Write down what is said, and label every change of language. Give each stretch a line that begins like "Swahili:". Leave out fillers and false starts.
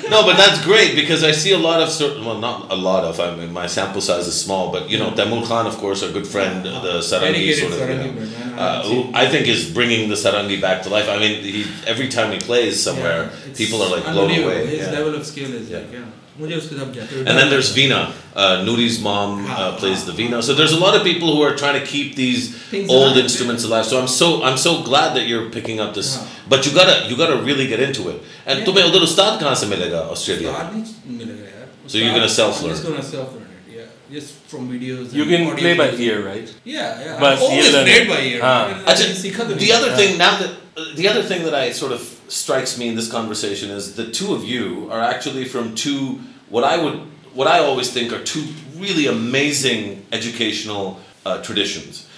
English: No, but that's great, because I see a lot of I mean, my sample size is small, but you know, Tamul Khan, of course, our good friend, the Sarangi sort of, who I think is bringing the Sarangi back to life. I mean, he, every time he plays somewhere, people are like blown away. His level of skill is And then there's Veena. Nuri's mom plays the Veena. So there's a lot of people who are trying to keep these old instruments alive. So I'm so glad that you're picking up this. Yeah. But you gotta really get into it.
Hindi: And तुम्हे उधर उस्ताद कहाँ से मिलेगा, Australia? Ustad nahi milega yaar.
English: So you're gonna self learn. I'm just gonna self learn it. Yeah, just from videos. You can play by videos. Ear, right? Yeah. But always played by ear. Huh. The other thing that I sort of strikes me in this conversation is the two of you are actually from two, what I always think are two really amazing educational traditions.